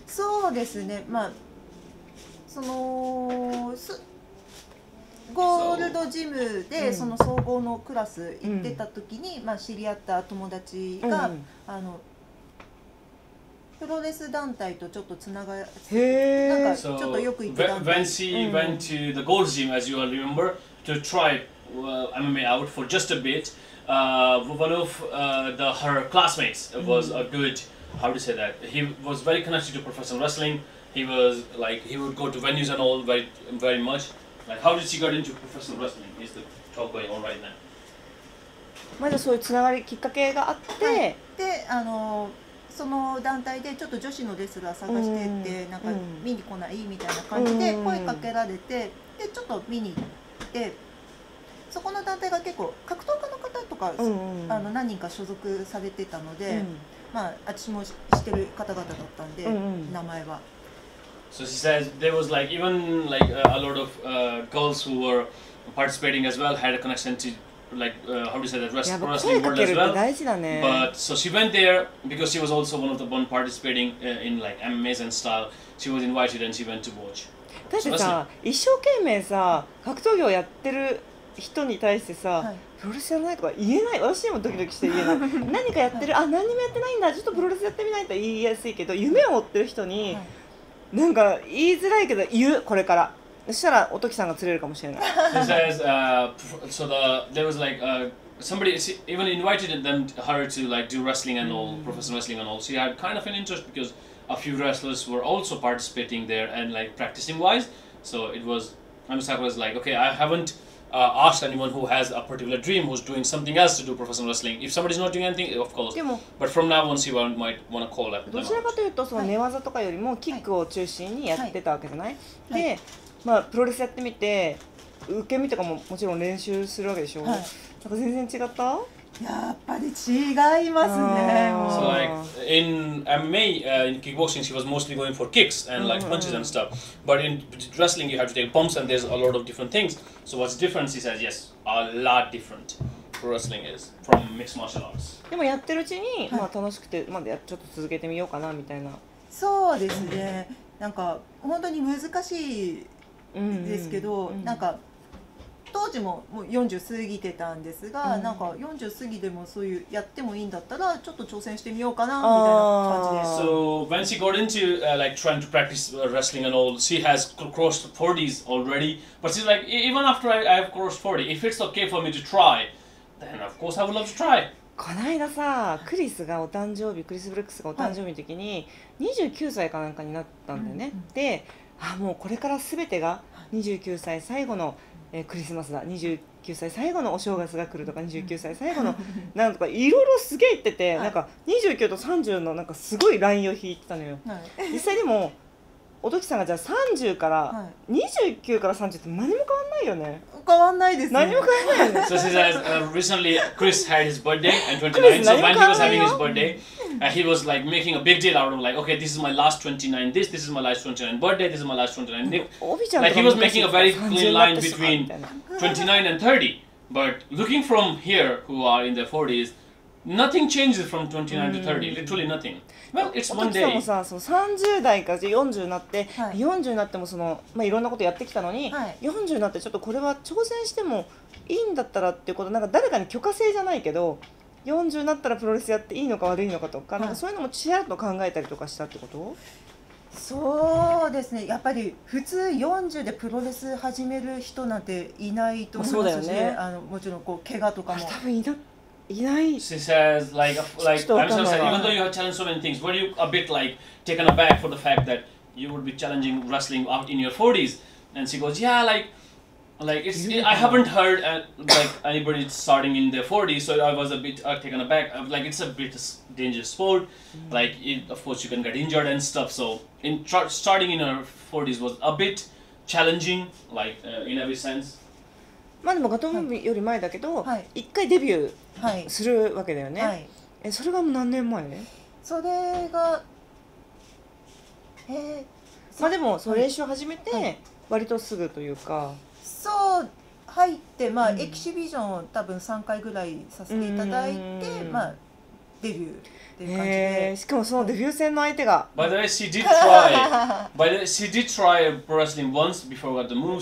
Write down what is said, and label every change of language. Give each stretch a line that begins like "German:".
Japanese: そうですね、まあそのゴールドジムでその総合のクラス行ってた時に、うん、まあ知り合った友達が、うん、あのプロレス団体とちょっとつながなんかちょっとよく行ってた。
English: When she went to the Gold Gym, as you all remember, to try MMA out for just a bit, one of her classmates was a good, how to say that? He was very connected to professional wrestling. He was like he would go to venues and all very very much. Like how did she get into professional wrestling? Is the talk going on right now?
Japanese: まずそういうつながりきっかけがあって、で、あの。その団体でちょっと女子のレスラー探してってなんか見に来ないみたいな感じで声かけられてでちょっと見に行ってそこの団体が結構格闘家の方とかあの何人か所属されてたのでまあ私も知ってる方々だったんで名前は
English: So she says there was like even like a lot of girls who were participating as well had a connection toto like how do you say that wrestling world as well. But so she went there because she was also one of the one participating in like MMA and style. She was invited and she went to watch.
Japanese: だってさ、一生懸命さ、格闘技をやってる人に対してさ、プロレスじゃないとか言えない。私にもドキドキして言えない。何かやってる、あ、何にもやってないんだ。ちょっとプロレスやってみないと言いやすいけど、夢を追ってる人になんか言いづらいけど言う、これから。そしたらおときさんが釣れるかもしれない。
English: She says, so the there was like somebody even invited them her to like do wrestling and all professional wrestling and all. She had kind of an interest because a few wrestlers were also participating there and like practicing wise. So it was, Amisaka was like, okay, I haven't asked anyone who has a particular dream who's doing something else to do professional wrestling. If somebody's not doing anything, of course. But from now on, she might want to call up.
Japanese: どちらかというとその寝技とかよりもキックを中心にやってたわけじゃない。で。まあ、プロレスやってみて受け身とかももちろん練習するわけでしょ、はい、なんか全然違ったやっぱり違いますね
English: So like in MMA, in kickboxing she was mostly going for kicks and like punches and stuff But in wrestling you have to take bumps and there's a lot of different things So what's different? She says yes, a lot different pro wrestling is from mixed martial arts
Japanese: でもやってるうちに、はい、まあ楽しくて、まあ、ちょっと続けてみようかなみたいなそうですねなんか本当に難しいですけど、うんうん、なんか当時 もう40過ぎてたんですが、うん、なんか40過ぎでもそういうやってもいいんだったらちょっと挑戦してみようかなみたいな感じで。
English: So when she got into like trying to practice wrestling and all, she has crossed 40s already. But she's like, even after I have crossed 40, if it's okay for me to try, then of course I would love to try.
Japanese: この間さ、クリスがお誕生日、クリス・ブルックスがお誕生日の時に29歳かなんかになったんだよね、はい、で、あ、もうこれから全てが29歳最後の、クリスマスだ、29歳最後のお正月が来るとか、29歳最後のなんとかいろいろすげえ言ってて、はい、なんか29と30のなんかすごいラインを引いてたのよ、はい、実際でも、おときさんがじゃあ30から、はい、29から30って何も変わんないよね。変わんないですね。何も変わんないよね。
English: So she says, recently Chris had his birthday and 29. So when he was having his birthday, he was like making a big deal out of like, okay, this is my last 29. This is my last 29 birthday. This is my last 29. Like he was making a very clean line between 29 and 30. But looking from here, who are in their 40s, nothing changes from 29 to 30. Literally nothing. Well, it's one day.
Japanese: おときさんもさ、その30代から40になって、はい、40になってもその、まあ、いろんなことやってきたのに、はい、 40になってちょっとこれは挑戦してもいいんだったらっていうこと、なんか誰かに許可制じゃないけど、40になったらプロレスやっていいのか悪いのかとか、はい、なんかそういうのもちらっと考えたりとかしたってこと？そうですね、やっぱり普通40でプロレス始める人なんていないと思いますし、ね、あのもちろんこう怪我とかも多分いない。いない。
English: She says, like I'm so sad. Even though you have challenged so many things, were you a bit like taken aback for the fact that you would be challenging wrestling out in your 40s? And she goes, yeah, like it's, I haven't heard like anybody starting in their 40s, so I was a bit taken aback. Like it's a bit dangerous sport. Like it, of course you can get injured and stuff. So in starting in her 40s was a bit challenging, like in every sense.
Japanese: まあでもガトムより前だけど、はい、 1回デビューするわけだよね、はい、それがもう何年前、それが、まあでもその練習を始めて割とすぐというか、はいはい、そう入って、まあ、エキシビジョンを多分3回ぐらいさせていただいて、まあデビューしかもそのデビュー戦の相手が。
English: By the way, she did try. By the way, she did try wrestling once before got the move.